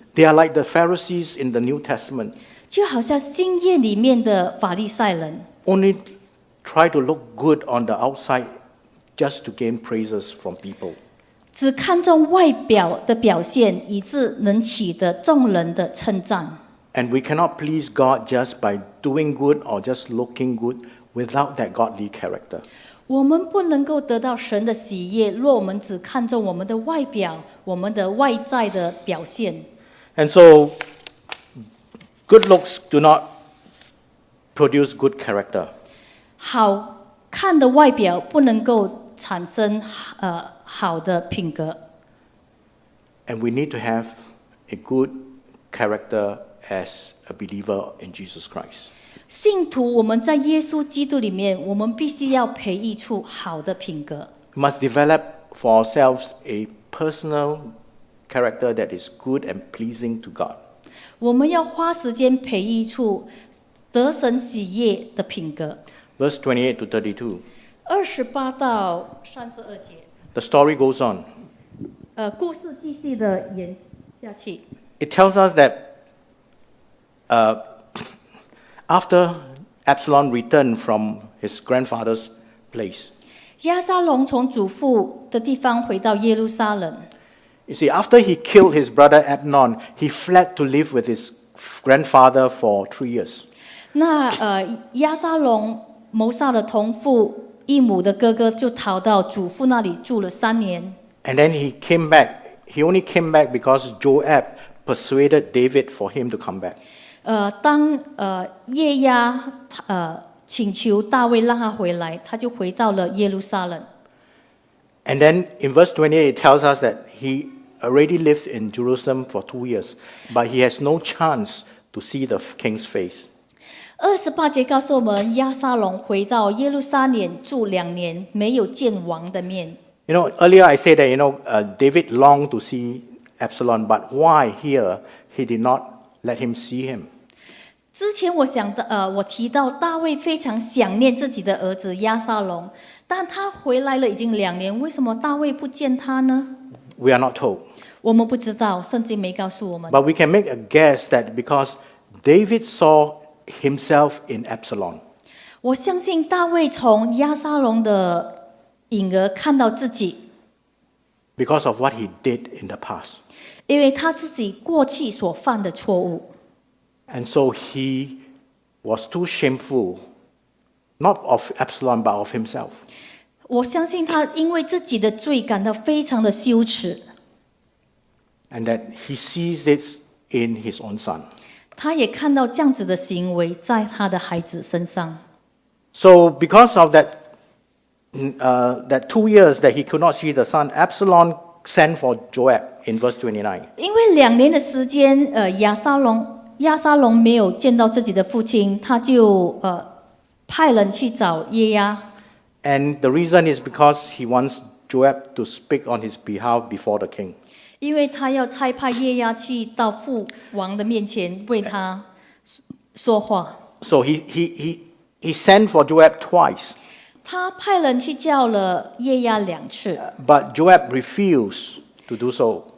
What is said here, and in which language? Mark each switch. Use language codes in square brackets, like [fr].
[en] They are like the Pharisees in the New Testament. [zh] 就好像新约里面的法利赛人。 [en] Only try to look good on the outside just to gain praises from people. [zh] 只看重外表的表现，以致能取得众人的称赞。 [en] And we cannot please God just by doing good or just looking good without that godly character. [zh] 我们不能够得到神的喜悦，若我们只看重我们的外表，我们的外在的表现。 [en] And so, good looks do not produce good character. [zh] 好看的外表不能够产生好的品格。 [en] And we need to have a good character as a believer in Jesus Christ. [zh] 信徒，我们在耶稣基督里面，我们必须要培育出好的品格。 [en] Must develop for ourselves a personal character that is good and pleasing to God. [zh] 我们要花时间培育出得神喜悦的品格。 [en] Verse 28 to 32. [zh] 28到32节。 [en] The story goes on. [zh] 故事继续的演下去。 [en] It tells us that after Absalom returned from his grandfather's place. [zh] 亚沙龙从祖父的地方回到耶路撒冷。 [en] You see, after he killed his brother Abnon, he fled to live with his grandfather for 3 years. [zh] 那亚沙龙谋杀了同父异母的哥哥，就逃到祖父那里住了3年。 [en] And then he came back. He only came back because Joab persuaded David for him to come back. [zh] 当耶押请求大卫让他回来，他就回到了耶路撒冷。 [en] And then in verse 28, it tells us that he already lived in Jerusalem for 2 years, but he has no chance to see the king's face. [zh] 28节告诉我们，亚沙龙回到耶路撒冷住2年，没有见王的面。 [en] You know, earlier I said that, you know, David longed to see Absalom, but why here he did not let him see him? [zh] 之前我提到大卫非常想念自己的儿子亚沙龙，但他回来了已经2年，为什么大卫不见他呢？ [en] We are not told. [zh] 我们不知道，圣经没告诉我们。 [en] But we can make a guess that because David saw himself in Absalom. [zh] 我相信大卫从亚撒龙的影儿看到自己。 [en] Because of what he did in the past. [zh] 因为他自己过去所犯的错误。 [en] And so he was too shameful, not of Absalom, but of himself. [zh] 我相信他因为自己的罪感到非常的羞耻。 [en] And that he sees it in his own son. [zh] 他也看到这样子的行为在他的孩子身上。 [en] So because of that, that 2 years that he could not see the son, Absalom sent for Joab in verse 29. [zh] 因为两年的时间，亚撒龙没有见到自己的父亲，他就派人去找耶押。 [en] And the reason is because he wants Joab to speak on his behalf before the king. [zh] 因为他要差派耶押去到父王的面前为他说话。 [en] So he sent for Joab twice. [zh] 他派人去叫了耶押两次。 [en] But Joab refused to do so.